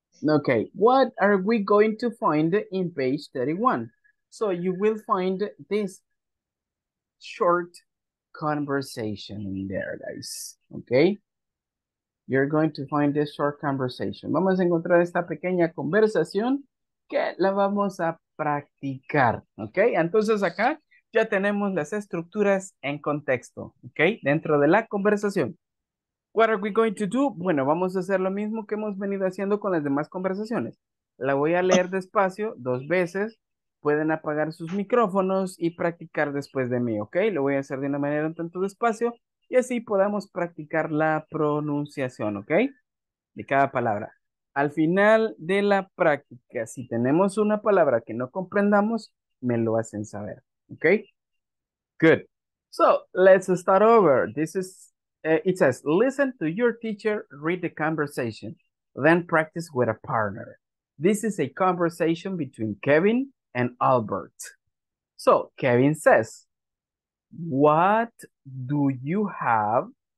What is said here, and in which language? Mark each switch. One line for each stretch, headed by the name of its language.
English: Okay, what are we going to find in page 31? So you will find this short conversation in there, guys. Okay? You're going to find this short conversation.
Spanish: Vamos a encontrar esta pequeña conversación que la vamos a practicar. Okay? Entonces acá ya tenemos las estructuras en contexto. Okay? Dentro de la conversación.
English: What are we going to do?
Spanish: Bueno, vamos a hacer lo mismo que hemos venido haciendo con las demás conversaciones. La voy a leer despacio 2 veces. Pueden apagar sus micrófonos y practicar después de mí, ¿ok? Lo voy a hacer de una manera un tanto despacio y así podamos practicar la pronunciación, ¿ok? De cada palabra. Al final de la práctica, si tenemos una palabra que no comprendamos, me lo hacen saber, ¿ok?
English: Good. So, let's start over. This is... it says, listen to your teacher, read the conversation, then practice with a partner. This is a conversation between Kevin and Albert. So, Kevin says, what do you have?